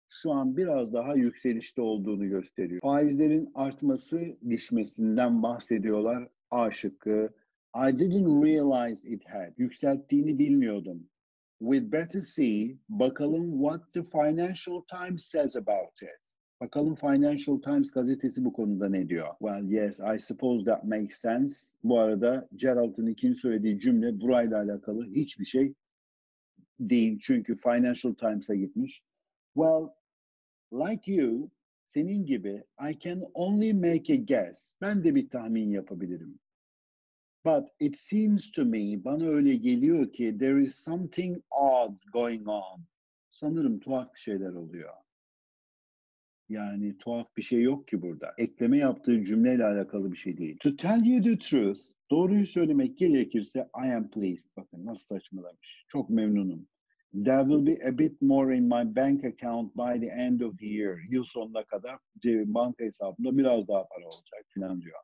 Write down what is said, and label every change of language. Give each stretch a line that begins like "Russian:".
Turkish: Şu an biraz daha yükselişte olduğunu gösteriyor. Faizlerin artması, düşmesinden bahsediyorlar. A şıkkı.
English: I didn't realize it had.
Turkish: Yükselttiğini bilmiyordum.
English: We'd better see.
Turkish: Bakalım
English: what the Financial Times says about it.
Turkish: Bakalım Financial Times gazetesi bu konuda ne diyor?
English: Well, yes, I suppose that makes sense.
Turkish: Bu arada Gerald'ın ikinci söylediği cümle burayla alakalı hiçbir şey değil. Çünkü Financial Times'a gitmiş.
English: Well, like you,
Turkish: senin gibi,
English: I can only make a guess.
Turkish: Ben de bir tahmin yapabilirim.
English: But it seems to me,
Turkish: bana öyle geliyor ki,
English: there is something odd going on.
Turkish: Sanırım tuhaf bir şeyler oluyor. Yani tuhaf bir şey yok ki burada. Ekleme yaptığı cümleyle alakalı bir şey değil.
English: To tell you the truth,
Turkish: doğruyu söylemek gerekirse,
English: I am pleased.
Turkish: Bakın nasıl saçmalamış. Çok memnunum.
English: There will be a bit more in my bank account by the end of the year.
Turkish: Yıl sonuna kadar banka hesabımda biraz daha para olacak filan diyor.